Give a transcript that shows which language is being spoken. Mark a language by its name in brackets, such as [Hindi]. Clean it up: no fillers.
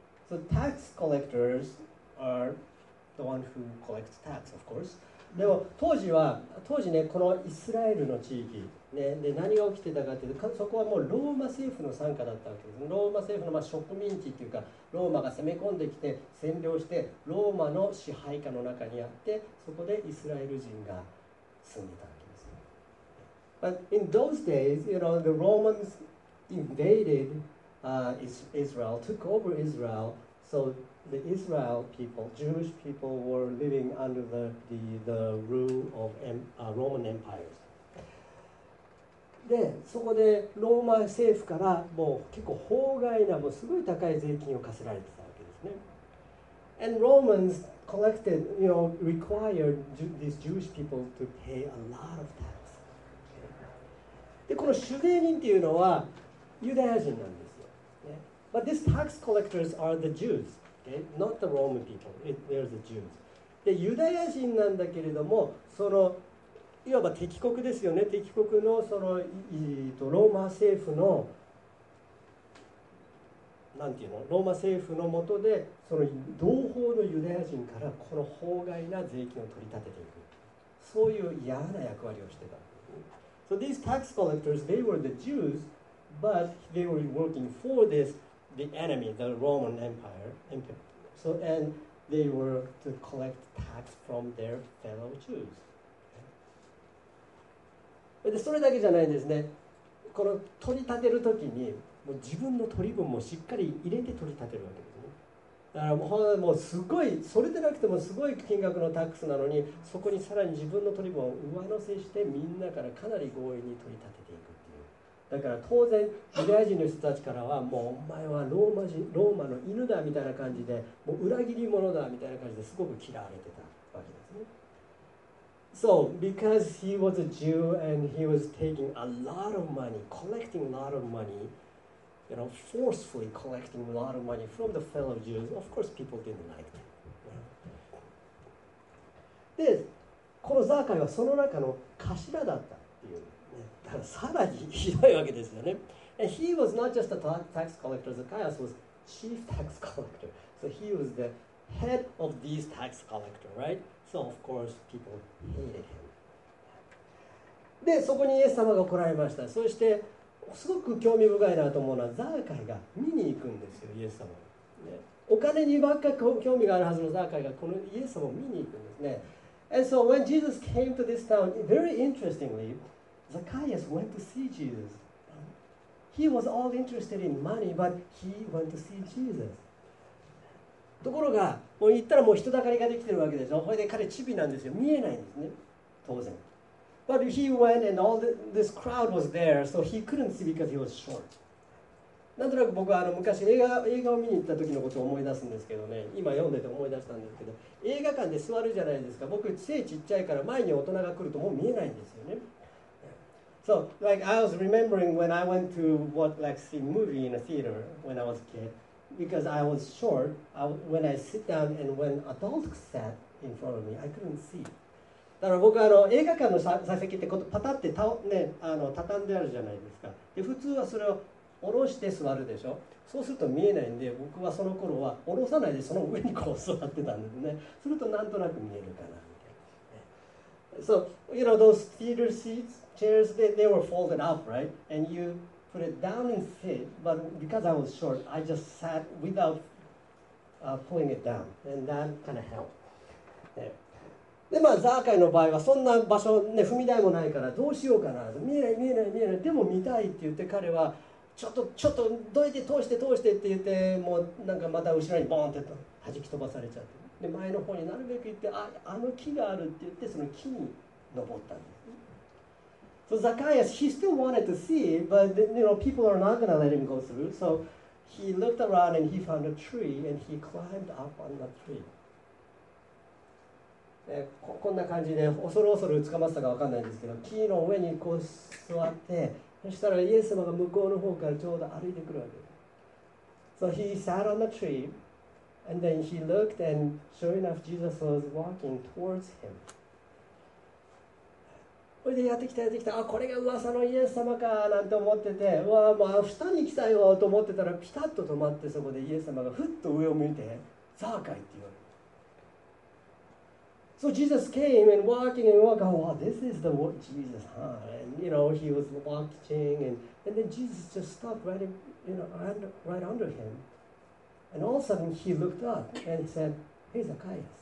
[English] So tax collectors are the one who collects tax, of course. [Japanese] でも当時ね、このイスラエルの地域、ね、で何が起きてたかというと、そこはもうローマ政府の傘下だったわけです。ローマ政府の植民地というか、ローマが攻め込んできて占領して、ローマの支配下の中にあって、そこでイスラエル人が住んでたわけです。 [English] But in those days, you know, the Romans invaded. Israel took over Israel, so the Israel people, Jewish people, were living under the rule of Roman empires. [Japanese] で、そこでローマ政府からもう結構法外なもうすごい高い税金を課せられてたわけですね。 [English] And Romans collected, you know, required these Jewish people to pay a lot of tax. [Japanese] で、この主税人っていうのはユダヤ人なんです。 [English] But these tax collectors are the Jews, okay? Not the Roman people. They're the Jews. [Japanese] で、ユダヤ人なんだけれども、その、いわば敵国ですよね。敵国の、その、ローマ政府の、なんていうの？ローマ政府の下で、その同胞のユダヤ人からこの法外な税金を取り立てていく。そういう嫌な役割をしてた。 [English] So these tax collectors, they were the Jews, but they were working for this, the enemy, the Roman Empire. So, and they were to collect tax from their fellow Jews. [Japanese] で、それだけじゃないですね。この取り立てるときに、もう自分の取り分もしっかり入れて取り立てるわけですね。だからもうすごい、それでなくてもすごい金額のタックスなのに、そこにさらに自分の取り分を上乗せしてみんなからかなり強引に取り立てていくっていう。だから当然ユダヤ人の人たちからはもうお前はローマの犬だみたいな感じで、もう裏切り者だみたいな感じですごく嫌われてたわけですね。 [English] So, because he was a Jew and he was taking a lot of money, collecting a lot of money,You know, forcefully collecting a lot of money from the fellow Jews. Of course, people didn't like that. [Japanese] で、このザーカイはその中の頭だったっていう、ね。だからさらにひどいわけですよね。 [English] And he was not just a tax collector. Zacchaeus was chief tax collector. So he was the head of these tax collector, right? So of course, people hated him. [Japanese] で、そこにイエス様が来られました。そして、すごく興味深いなと思うのはザーカイが見に行くんですよ、イエス様、ね、お金にばっか興味があるはずのザーカイがこのイエス様を見に行くんですね。 [English] And so when Jesus came to this town, very interestingly, Zacchaeus went to see Jesus. He was all interested in money, but he went to see Jesus. [Japanese] ところが、もう行ったらもう人だかりができてるわけでしょ。それで彼チビなんですよ。見えないんですね、当然。 [English] But he went and all this crowd was there, so he couldn't see because he was short. [Japanese] なんとなく僕はあの昔映画を見に行った時のことを思い出すんですけどね、今読んでて思い出したんですけど、映画館で座るじゃないですか。僕、背ちっちゃいから前に大人が来るともう見えないんですよね。 [English] So, like, I was remembering when I went to watch, like, see movie in a theater when I was a kid, because I was short, when I sit down and when adults sat in front of me, I couldn't see. [Japanese] だから僕はあの映画館の座席ってことパタッて畳んであるじゃないですか。で普通はそれを下ろして座るでしょ。そうすると見えないんで、僕はその頃は下ろさないでその上にこう座ってたんですね。するとなんとなく見えるかなみたいな。 [English] So, you know, those theater seats, chairs, they were folded up, right? And you put it down and fit, but because I was short, I just sat without pulling it down. And that kind of helped. [Japanese] でまあ、ザーカイの場合はそんな場所、ね、踏み台もないからどうしようかな、見えない、でも見たいって言って、彼はちょっとどいて、通してって言って、もうなんかまた後ろにボーンって弾き飛ばされちゃって、で前の方になるべく行って、あの木があるって言って、その木に登ったんです。 [English] So Zacchaeus, he still wanted to see, but you know, people are not going to let him go through. So he looked around and he found a tree and he climbed up on the tree [Japanese] こんな感じで、恐る恐る捕まったか分かんないんですけど、木の上にこう座って、そしたらイエス様が向こうの方からちょうど歩いてくるわけです。 [English] So he sat on the tree, and then he looked, and sure enough, Jesus was walking towards him. [Japanese] それでやってきた、あ、これが噂のイエス様かなんて思ってて、うわ、もう下に来たよと思ってたら、ピタッと止まって、そこでイエス様がふっと上を向いて、ザーカイって言われる。 [English] So Jesus came and walking and walking, wow, this is the word Jesus, huh? And you know, he was watching and then Jesus just stopped right under him. And all of a sudden he looked up and said, hey, Zacchaeus.